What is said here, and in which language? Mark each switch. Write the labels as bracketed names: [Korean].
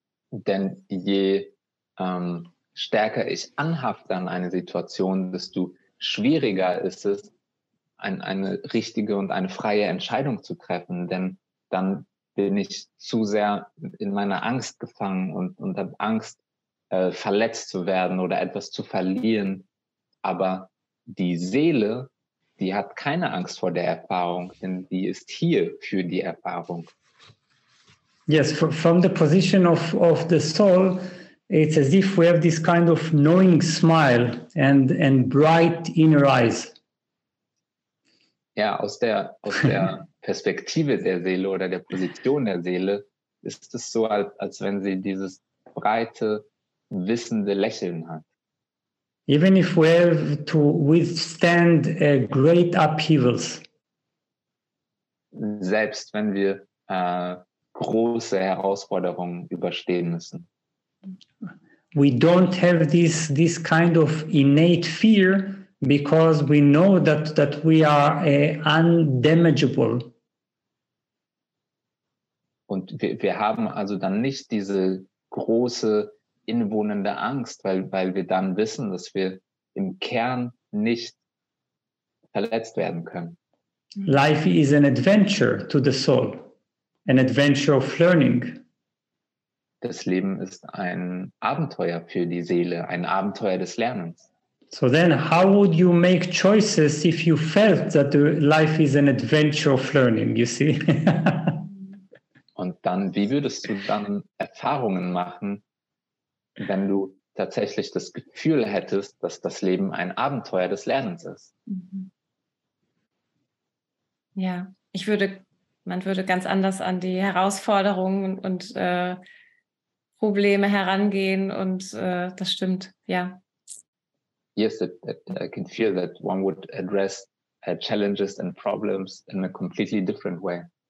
[German] Denn je stärker ich anhafte an eine Situation, desto schwieriger ist es, eine richtige und eine freie Entscheidung zu treffen, denn dann bin ich zu sehr in meiner Angst gefangen und habe Angst, verletzt zu werden oder etwas zu verlieren. Aber die Seele, die hat keine Angst vor der Erfahrung, denn die ist hier für die Erfahrung. [English] Yes, from the position of the soul, it's as if we have this kind of knowing smile and bright inner eyes. [German] Ja, aus der Perspektive der Seele oder der Position der Seele ist es so, als wenn sie dieses breite, wissende Lächeln hat. [English] Even if we have to withstand great upheavals. [German] Selbst wenn wir große Herausforderungen überstehen müssen. [English] We don't have this kind of innate fear, because we know that we are undamageable. [German] Und wir haben also dann nicht diese große inwohnende Angst, weil wir dann wissen, dass wir im Kern nicht verletzt werden können. [English] Life is an adventure to the soul, an adventure of learning. [German] Das Leben ist ein Abenteuer für die Seele, ein Abenteuer des Lernens. [English] So then, how would you make choices if you felt that life is an adventure of learning, you see? [German] Und dann, wie würdest du dann Erfahrungen machen, wenn du tatsächlich das Gefühl hättest, dass das Leben ein Abenteuer des Lernens ist? Ja, man würde ganz anders an die Herausforderungen und Probleme herangehen und das stimmt, ja. [English] Yes, I can feel that one would address challenges and problems in a completely different way.